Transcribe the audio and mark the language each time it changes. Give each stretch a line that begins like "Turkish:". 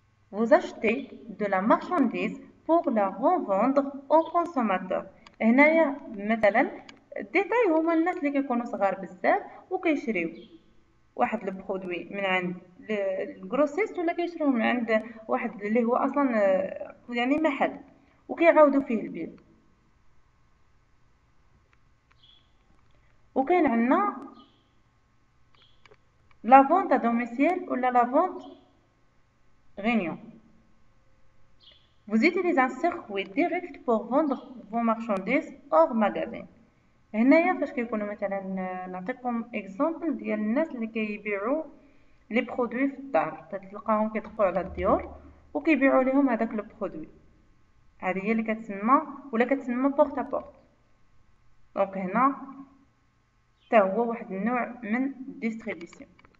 French: Vous achetez de la marchandise pour la revendre au consommateur.
Arabic: هنايا مثلا ديتاي هما الناس اللي كيكونوا صغار بزاف وكيشريو واحد البرودوي من عند الجروسيست ولا كيشريو من عند واحد اللي هو اصلا يعني محل وكيعاودوا فيه البيع. وكاين عندنا
French: la vente à domicile ou la vente réunion. Vous utilisez un circuit direct pour vendre vos marchandises hors magasin.
Arabic: هنايا فاش كيكونوا مثلا نعطيكم اكزامبل ديال الناس اللي كيبيعوا لي برودوي في الدار، تلقاهم كيطبقوا على الديور وكيبيعوا لهم هذاك لو برودوي، هذه هي اللي كتسمى ولا كتسمى بورت ا بورت. دونك هنا حتى هو واحد النوع من ديستريبيسيون.